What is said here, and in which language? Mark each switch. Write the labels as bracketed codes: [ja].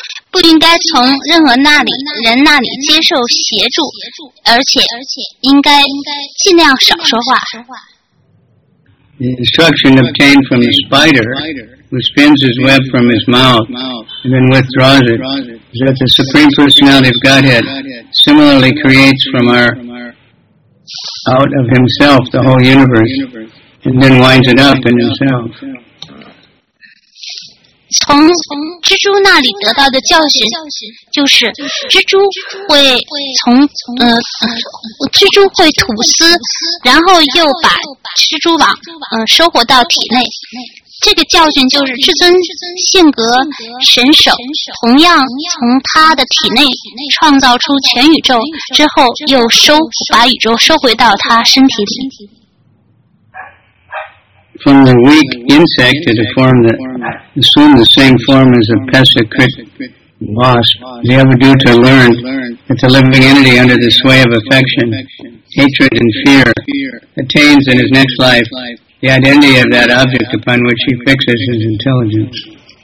[zh] 不应该从任何人那里接受协助，而且应该尽量少说话。 [en] The instruction obtained from the spider, who spins his web from his mouth and then withdraws it, is that the Supreme Personality of Godhead similarly creates from out of himself the whole universe and then winds it up in himself. [zh] 从蜘蛛那里得到的教训就是蜘蛛会吐丝，然后又把蜘蛛网收获到体内。这个教训就是至尊性格神手同样从他的体内创造出全宇宙之后，又把宇宙收回到他身体里。 [en] From the weak insect to the form that assumed the same form as a pesicrit wasp, the Avaduta learned that the living entity under the sway of affection, hatred, and fear attains in his next life the identity of that object upon which he fixes his intelligence.